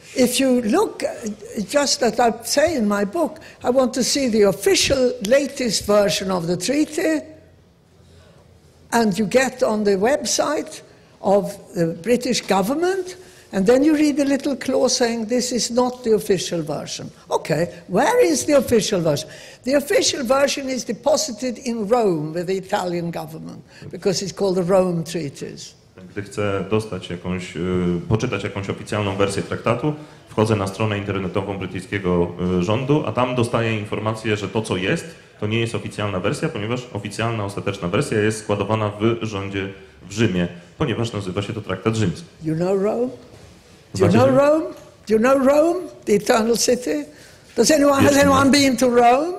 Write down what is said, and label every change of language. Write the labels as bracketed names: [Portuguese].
[English] If you look just as I say in my book, I want to see the official latest version of the treaty, and you get on the website of the British government, And then you read a little clause saying this is not the official version. Okay, where is the official version? The official version is deposited in Rome with the Italian government because it's called the Rome Treaties. [Polish] Gdy chcę dostać jakąś, poczytać jakąś oficjalną wersję traktatu, wchodzę na stronę internetową brytyjskiego rządu, a tam dostaję informację, że to co jest, to nie jest oficjalna wersja, ponieważ oficjalna, ostateczna wersja jest składowana w rządzie w Rzymie, ponieważ nazywa się to Traktat Rzymski. [English] You know Rome? Do you know Rome? Do you know Rome? The Eternal City? Does anyone, has anyone been to Rome?